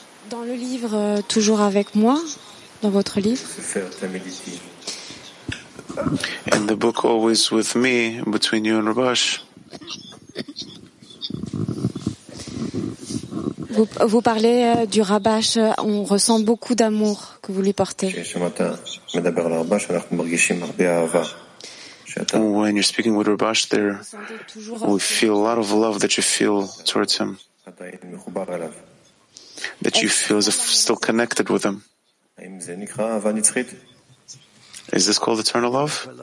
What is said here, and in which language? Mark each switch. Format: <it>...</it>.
<fr>Dans le livre Toujours avec moi, dans votre livre.</fr> <en>In the book Always with Me, between you and Rabash.</en> <fr>Vous parlez du Rabash, on ressent beaucoup d'amour que vous lui portez.</fr> <en>When you're speaking with Rabash there, we feel a lot of love that you feel towards him. That you feel as if still connected with him. Is this called eternal love?</en>